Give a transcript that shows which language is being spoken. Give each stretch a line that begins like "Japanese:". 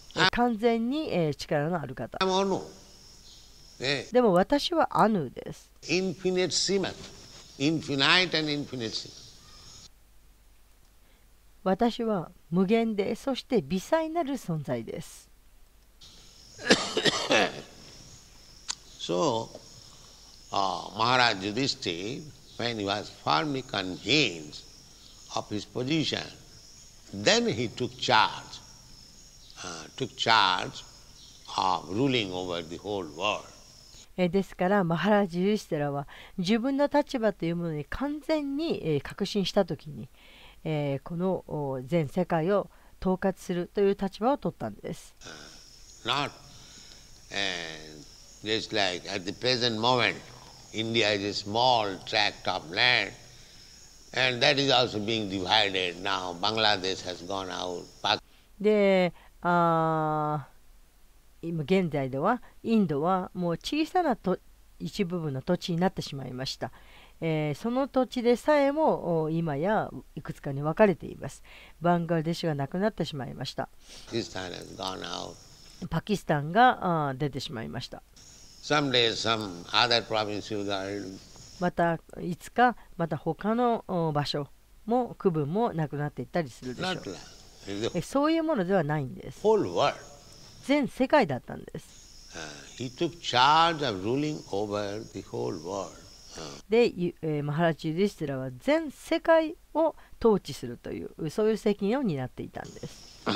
Japanese: 完全に、力のある方。
English: I'm Anu.
Japanese: でも私はアヌーです。
English: Infinite Simat. Infinite and infinite Simat.
Japanese: 私は無限で、そして微細なる存在です。
English: So,Maharaj Yudhishthira, when he was firmly convinced of his position, then he took charge of ruling over the whole world.
Japanese: ですから、マハラジ・ユディシュティラは自分の立場というものに完全に確信したときに、この全世界を統括するという立場を取ったんです。
English: Not just like at the present moment. India is a small tract of land, and that is also being divided now. Bangladesh has gone out.
Japanese: で、今現在ではインドはもう小さな一部分の土地になってしまいました。その土地でさえも今やいくつかに分かれています。バングラデシュがなくなってしまいました。
English: Pakistan has gone out.
Japanese: パキスタンが出てしまいました。
English: Someday some other province will go.
Japanese: またいつかまた他の場所も区分もなくなっていったりするでしょう。そういうものではないんです。
English: Whole world.
Japanese: 全世界だったんです。
English: He took charge of ruling over the whole world.
Japanese: で、マハラジ・ユディシュティラは全世界を統治するというそういう責任を担っていたんです。